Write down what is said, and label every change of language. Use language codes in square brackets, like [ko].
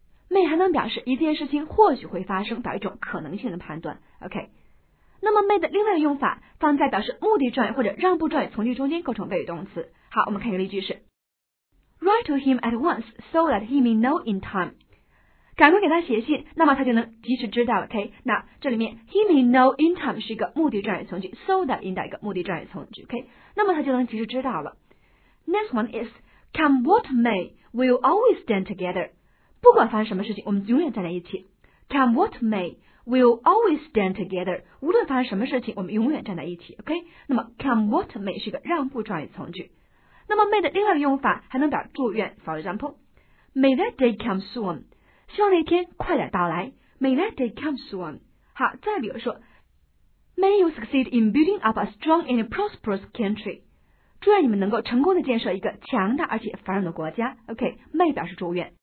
[zh] May 还能表示一件事情或许会发生表一种可能性的判断 OK那么 may 的另外的用法放在表示目的状语或者让步状语从句中间构成谓语动词。好我们看一个例句是 [en] Write to him at once so that he may know in time. [zh] 赶快给他写信那么他就能及时知道了 OK? 那这里面 [en] he may know in time [zh] 是一个目的状语从句 [en] so that in that [zh] 一个目的状语从句 OK? 那么他就能及时知道了。 [en] Next one is, come what may, we'll always stand together. [zh] 不管发生什么事情我们永远站在一起。 [en] Come what may,We'll always stand together. [zh] 无论发生什么事情，我们永远站在一起。 OK? 那么 [en] come what may [zh] 是个让步状语从句。那么 may 的另外一个用法还能表祝愿。 [en] For example, May that day come soon. [zh] 希望那天快点到来。 [en] May that day come soon. [zh] 好，再比如说 [en] ，May you succeed in building up a strong and prosperous country. [zh] 祝愿你们能够成功的建设一个强大而且繁荣的国家。OK? May 表示祝愿。